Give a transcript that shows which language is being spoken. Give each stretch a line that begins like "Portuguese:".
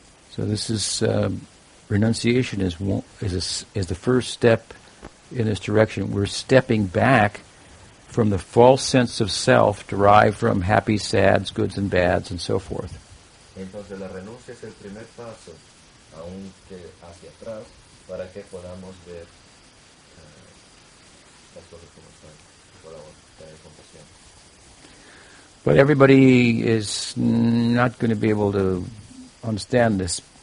English: So this is renunciation is the first step in this direction. We're stepping back from the false sense of self derived from happy, sads, goods and bads, and so forth.
Spanish: Entonces la renuncia es el primer paso, aunque hacia atrás, para que podamos ver las cosas como están, podamos tener compasión.
English: But everybody is not going to be able to understand this.